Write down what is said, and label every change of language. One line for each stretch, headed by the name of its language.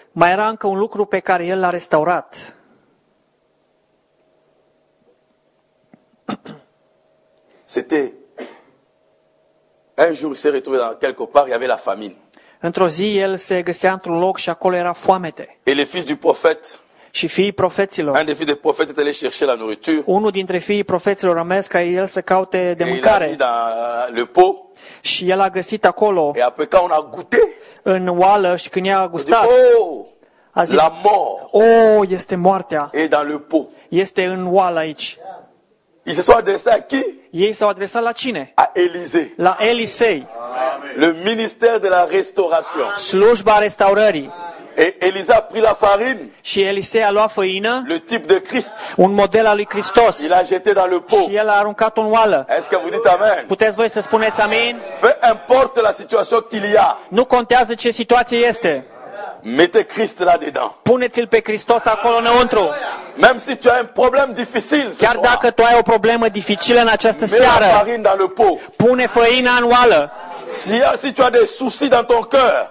Romanian: Mai era încă un lucru pe care el l-a restaurat.
French: C'était un jour il s'est retrouvé dans quelque part, il y avait la famine.
Romanian: Într-o zi el se găsea într-un loc și acolo era foamete.
French: Et les fils du prophète.
Romanian: Și fiii profeților.
French: Un des fils des prophètes était allé chercher la nourriture.
Romanian: Unul dintre fiii profeților a mers ca el să caute de mâncare.
French: Il a mis le pot.
Romanian: Și el a găsit acolo.
French: Et après quand on a goûté.
Romanian: În oală și când i-a gustat.
French: Oh,
Romanian: a zis,
French: la mort.
Romanian: Oh, este moartea.
French: Et dans le pot.
Romanian: Este în oală aici.
French: Ils se sont adressés à qui?
Romanian: Ei s-au adresat la cine?
French: À Élisée.
Romanian: La Elisei. Amen.
French: Le ministère de la restauration.
Romanian: Amen. Slujba restaurării.
French: Et Élisée a pris la farine.
Romanian: Și Elisei a luat făină.
French: Le type de Christ.
Romanian: Un model al lui Hristos.
French: Il a jeté dans le pot.
Romanian: Și el a aruncat în oală.
French: Est-ce que vous dites amen?
Romanian: Puteți voi să spuneți amin?
French: Peu importe la situation qu'il y a.
Romanian: Nu contează ce situație este.
French: Mettez Christ là-dedans.
Romanian: Puneți-l pe Hristos acolo înăuntru.
French: Même si tu as un problème difficile ce
Romanian: chiar
French: soir,
Romanian: dacă tu ai o problemă dificilă în această seară, pune făina în oală.
French: Si tu as des soucis dans ton cœur,